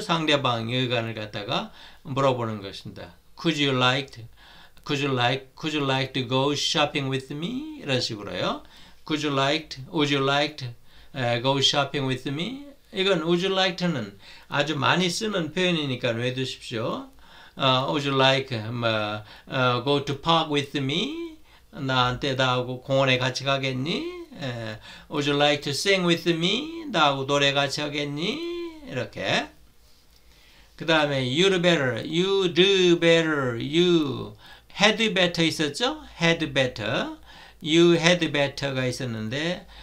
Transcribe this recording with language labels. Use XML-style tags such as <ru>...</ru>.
<ko>상대방 의견을 갖다가 물어보는 것입니다.</ko> <en>could you like to go shopping with me?</en> <ko>이런 식으로요.</ko> <en>would you like to, go shopping with me?</en> <ko>이건 would you like는 아주 많이 쓰는 표현이니까 외두십시오.</ko> <en>would you like go to park with me?</en> <ko>나한테 나하고 공원에 같이 가겠니?</ko> <en>would you like to sing with me?</en> <ko>나하고 노래 같이 하겠니? 이렇게. 그 다음에</ko> <en>you do better, you had better</en> <ko>있었죠?</ko> <en>had better, you had better가</en> <ko>있었는데.</ko>